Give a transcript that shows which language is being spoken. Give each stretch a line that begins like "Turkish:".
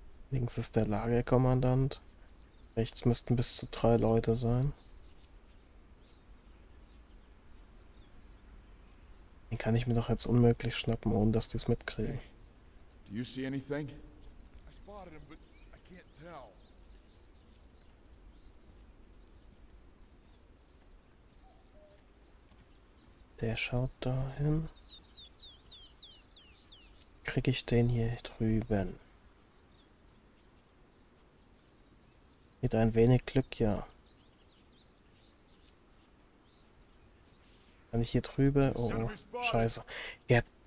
German: Links ist der Lagerkommandant. Rechts müssten bis zu 3 Leute sein. Den kann ich mir doch jetzt unmöglich schnappen, ohne dass die es mitkriegen.
English: Do you see anything? I spotted him, but I can't tell.
German: Der schaut dahin. Krieg ich den hier drüben? Mit ein wenig Glück, ja. Kann ich hier drüber? Oh, scheiße. Ja.